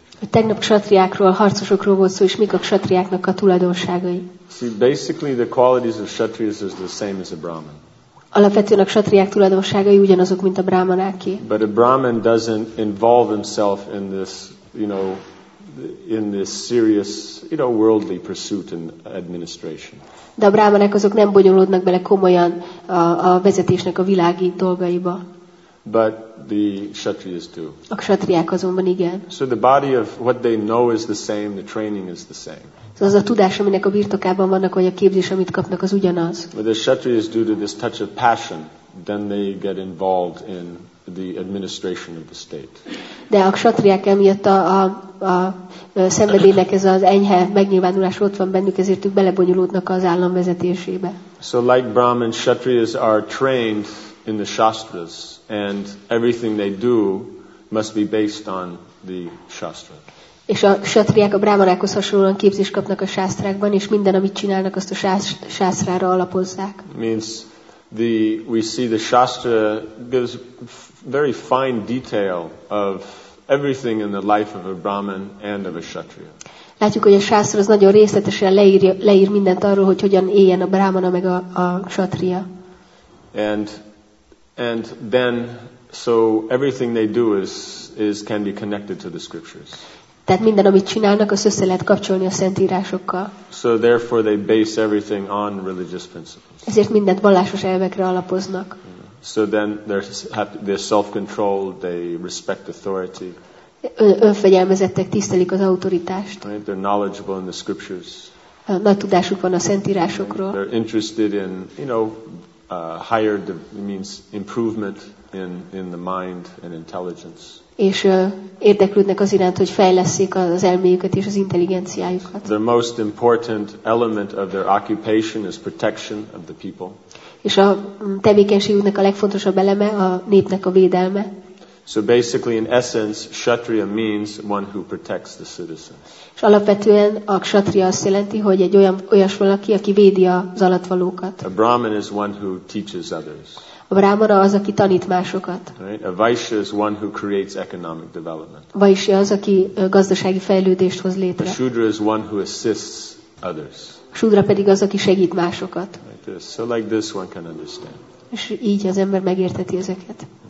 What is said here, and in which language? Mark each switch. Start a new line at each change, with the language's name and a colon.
Hungarian: Tegnap ksatriákról, harcosokról volt szó, és mik a ksatriáknak a tulajdonságai.
English: See, basically the qualities of kshatriyas is the same as a brahman.
Hungarian: Alapvetően a ksatriák tulajdonságai ugyanazok, mint a brahmanáké.
English: But a brahman doesn't involve himself in this, you know, in this serious, you know, worldly pursuit and administration.
Hungarian: De a brahmanák azok nem bonyolódnak bele komolyan a vezetésnek a világi dolgaiba.
English: But the kshatriyas do.
Hungarian: A kshatriák azonban igen.
English: So the body of what they know is the same, the training is the same.
Hungarian: So az a tudás, aminek a birtokában vannak, vagy a képzés, amit kapnak, az ugyanaz.
English: But the kshatriyas do to this touch of passion, then they get involved in the administration of the state.
Hungarian: De a kshatriák emiatt a szenvedélynek ez az enyhe megnyilvánulás ott van bennük, ezért ők belebonyolódnak az állam vezetésébe.
English: So like Brahman, kshatriyas are trained in the shastras, and everything they do must be based on the shastra.
Hungarian: És a kshatriák a brahmanákhoz hasonlóan képzést kapnak a sásztrákban, és minden, amit csinálnak, azt a sásztrára alapozzák.
English: Means the we see the shastra gives very fine detail of everything in the life of a brahman and of a kshatriya.
Hungarian: Látjuk, hogy a sásztra az nagyon részletesen leír mindent arról, hogy hogyan éljen a brahmana meg a kshatriya.
English: And then, so everything they do is can be connected to the scriptures.
Hungarian: Tehát minden, amit csinálnak, azt össze lehet kapcsolni a szentírásokkal.
English: So therefore they base everything on religious principles.
Hungarian: Ezért mindent vallásos elvekre alapoznak.
English: So then they're self-controlled, they respect authority.
Hungarian: Önfegyelmezettek, tisztelik az autoritást.
English: Right? They're knowledgeable in the scriptures.
Hungarian: Nagy tudásuk van a szentírásokról.
English: They're interested in, you know, higher means improvement in the mind and intelligence.
Hungarian: És érdeklődnek az iránt, hogy fejlesszék az elméjüket és az intelligenciájukat.
English: The most important element of their occupation is protection of the people.
Hungarian: És a tevékenységüknek a legfontosabb eleme a népnek a védelme.
English: So basically in essence kshatriya means one who protects the citizens.
Hungarian: És alapvetően a kshatriya azt jelenti, hogy egy olyas valaki, aki védi az alattvalókat.
English: A brahman is one who teaches others.
Hungarian: A brahmana az, aki tanít másokat.
English: Right? A vaishya is one who creates economic development.
Hungarian: Vaishya az, aki gazdasági fejlődést hoz létre.
English: A shudra is one who assists others.
Hungarian: A shudra pedig az, aki segít másokat.
English: Right? So like this one can understand.
Hungarian: És így az ember megérteti ezeket.